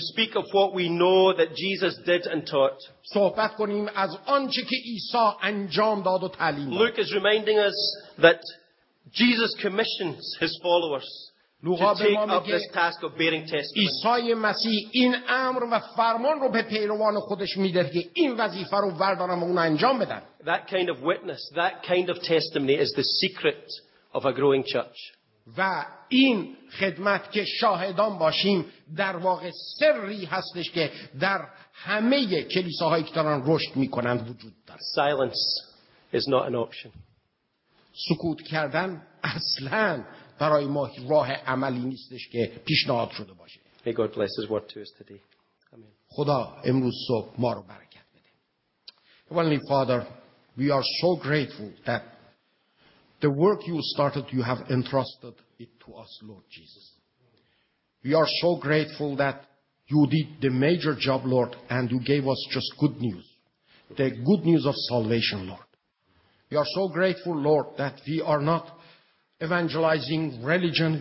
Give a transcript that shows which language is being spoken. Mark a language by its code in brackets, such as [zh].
[en] To speak of what we know that Jesus did and taught. [fa] صحبت کنیم از آنچه که عیسی انجام داد و تعلیم داد. [en] Luke is reminding us that Jesus commissions his followers to take up this task of bearing testimony. [fa] عیسی مسیح این امر و فرمان رو به پیروان خودش میده که این وظیفه رو بردارن و اون انجام بدن. [en] That kind of witness, that kind of testimony is the secret of a growing church. [fa] و این خدمت که شاهدان باشیم در واقع سری هستش که در همه کلیساهایی که دارن رشد میکنند وجود دارد. [en] Silence is not an option. [fa] سکوت کردن اصلاً برای ما راه عملی نیستش که پیشنهاد شده باشه. [en] May God bless His word to us today. Amen. [fa] خدا امروز صبح ما رو برکت بده. [en] Heavenly Father, we are so grateful that the work you started, you have entrusted it to us, Lord Jesus. We are so grateful that you did the major job, Lord, and you gave us just good news. The good news of salvation, Lord. We are so grateful, Lord, that we are not evangelizing religion.